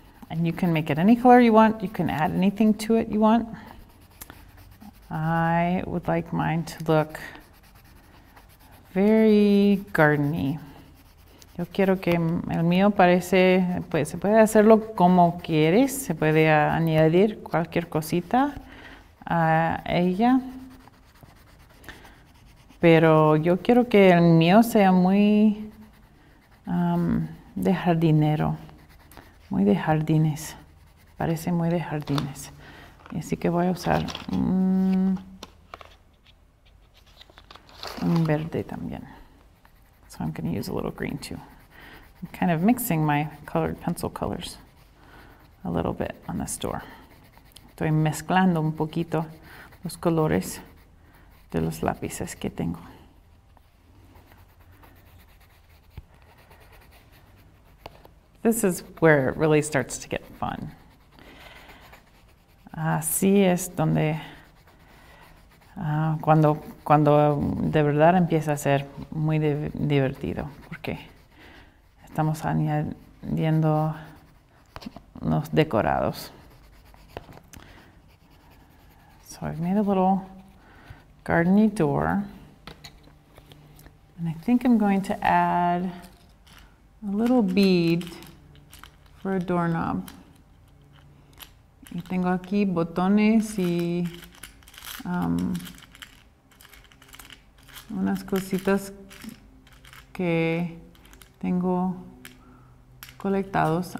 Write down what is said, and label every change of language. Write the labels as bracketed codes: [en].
[en] And you can make it any color you want. You can add anything to it you want. I would like mine to look very garden-y. [es] Yo quiero que el mío parece, pues se puede hacerlo como quieres, se puede añadir cualquier cosita a ella. Pero yo quiero que el mío sea muy de jardinero, muy de jardines, parece muy de jardines. Así que voy a usar un verde también. [en] So I'm going to use a little green too. I'm kind of mixing my colored pencil colors a little bit on this door. [es] Estoy mezclando un poquito los colores de los lápices que tengo. [en] This is where it really starts to get fun. [es] Así es donde cuando de verdad empieza a ser muy divertido, porque estamos añadiendo los decorados. [en] So I've made a little garden-y door, and I think I'm going to add a little bead for a doorknob. [es] Y tengo aquí botones y unas cositas que tengo colectados.